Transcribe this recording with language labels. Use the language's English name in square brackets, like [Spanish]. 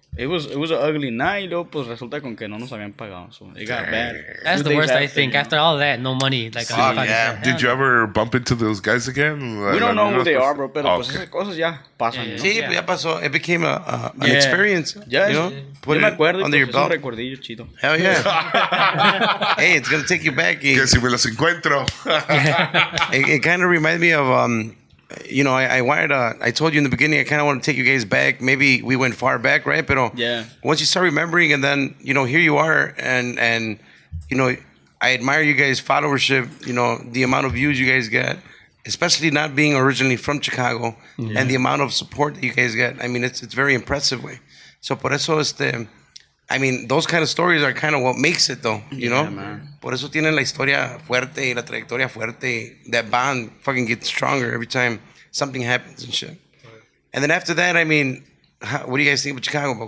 [English] It was an ugly night, [Spanish] y luego pues resulta con que no nos habían pagado. [English] So it got bad. That's the worst, I think. After all that, no money. Like, yeah. Did you ever bump into those guys again? We don't know who they are, bro. [Spanish] Pero pues esas cosas ya pasan. Sí, ya pasó. [English] It became an experience. Yeah, you [Spanish] know. Yo me acuerdo. [English] Under your belt. [Spanish] Un recuerdillo chido. [English] Hell yeah. Hey, it's gonna take you back. [Spanish] Que si me los encuentro. [English] It kind of reminds me of. You know, I told you in the beginning, I kind of want to take you guys back. Maybe we went far back, right? Pero yeah. Once you start remembering and then, you know, here you are. And you know, I admire you guys' followership, you know, the amount of views you guys get, especially not being originally from Chicago and the amount of support that you guys get. I mean, it's very impressive. Way. So, [Spanish] por eso, [English] I mean, those kind of stories are kind of what makes it, though, you know? Man. [Spanish] Por eso tienen la historia fuerte y la trayectoria fuerte. [English] That bond fucking gets stronger every time something happens and shit. And then after that, I mean, what do you guys think of Chicago, bro?